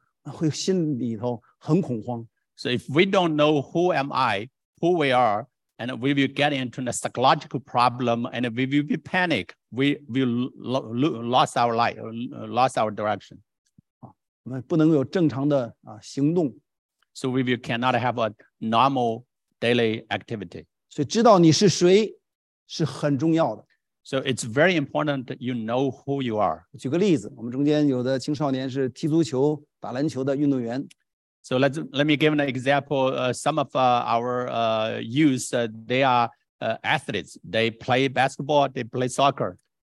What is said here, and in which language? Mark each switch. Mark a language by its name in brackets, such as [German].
[Chinese] 当我们找不到自己是谁的时候，会心里头很恐慌。 [English] So if we don't know who am I, who we are, and we will get into a psychological problem, and we will be panic, we will lose our life, lose our direction. [Chinese] 我们不能有正常的行动。 [English] So we will cannot have a normal daily activity. [Chinese] 所以知道你是谁是很重要的。 [English] So it's very important that you know who you are. [Chinese] 举个例子, 我们中间有的青少年是踢足球、打篮球的运动员。 [English] So let me give an example. Some of our youth, they are athletes. They play basketball, they play soccer.